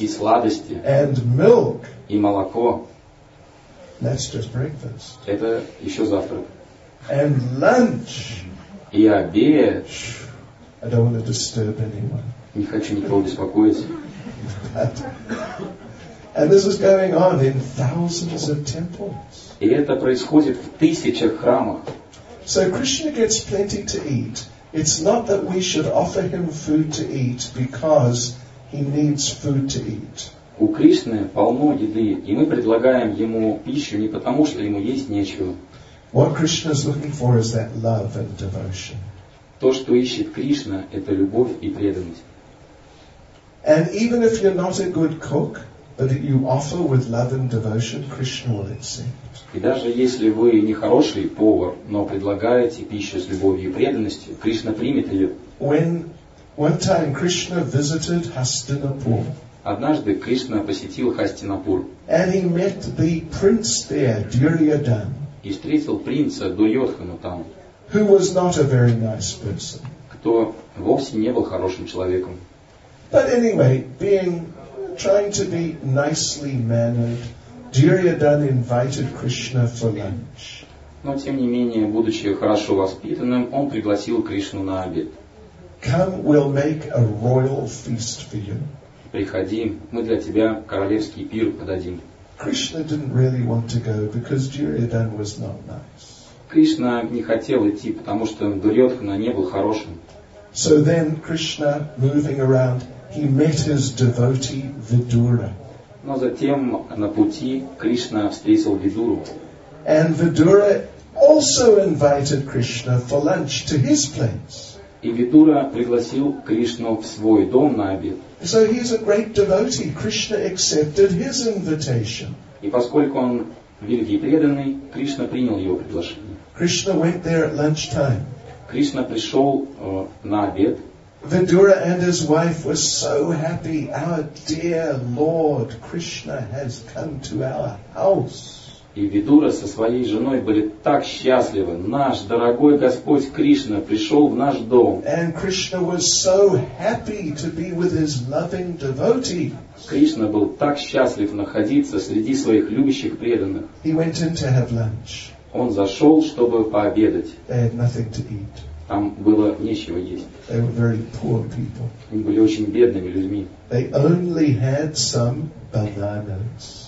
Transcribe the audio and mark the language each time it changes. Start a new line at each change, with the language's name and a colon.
Russian: И сладости.
English: And milk.
Russian: И молоко.
English: That's just breakfast.
Russian: Это еще завтрак.
English: And lunch.
Russian: И обед.
English: I don't want to disturb anyone.
Russian: Не хочу никого беспокоить.
English: And this is going on in thousands of temples.
Russian: И это происходит в тысячах храмах.
English: So Krishna gets plenty to eat. It's not that we should offer him food to eat because he needs food to eat.
Russian: У Кришны полно еды, и мы предлагаем ему пищу не потому, что ему есть нечего.
English: What Krishna is looking for is that love and devotion.
Russian: То, что ищет Кришна, это любовь и преданность.
English: And even if you're not a good cook, but you offer with love and devotion, Krishna will accept.
Russian: И даже если вы не хороший повар, но предлагаете пищу с любовью и преданностью, Кришна примет ее.
English: When one time Krishna visited Hastinapur.
Russian: Однажды Кришна посетил Хастинапур.
English: And he met the prince there, Duryodhana.
Russian: И встретил принца Дурьодхану там.
English: Who was not a very nice person.
Russian: Кто вовсе не был хорошим человеком.
English: But anyway, trying to be nicely mannered, Duryodhana invited Krishna for lunch.
Russian: Но тем не менее, будучи хорошо воспитанным, он пригласил Кришну на обед.
English: Come, we'll make a royal feast for you.
Russian: Приходи, мы для тебя королевский пир подадим.
English: Krishna didn't really want to go because Duryodhana was not nice.
Russian: Кришна не хотел идти, потому что Дурьодхана не был хорошим.
English: So then Krishna, moving around, he met his devotee Vidura.
Russian: Но затем на пути Кришна встретил Видуру.
English: And Vidura also invited Krishna for lunch to his place.
Russian: И Видура пригласил Кришну в свой дом на обед.
English: So he's a great devotee. Krishna accepted his invitation.
Russian: И поскольку он великий преданный, Кришна принял его приглашение.
English: Krishna went there at lunchtime.
Russian: Кришна пришел на обед.
English: Vidura and his wife were so happy. Our dear Lord Krishna has come to our house.
Russian: И Видура со своей женой были так счастливы. Наш дорогой Господь Кришна пришел в наш дом.
English: And Krishna was so happy to be with his loving devotees.
Russian: Кришна был так счастлив находиться среди своих любящих преданных.
English: He went in to have lunch.
Russian: Он зашел, чтобы пообедать.
English: They had nothing to eat.
Russian: Там было нечего есть.
English: They were very poor people.
Russian: Они были очень бедными людьми.
English: They only had some bananas.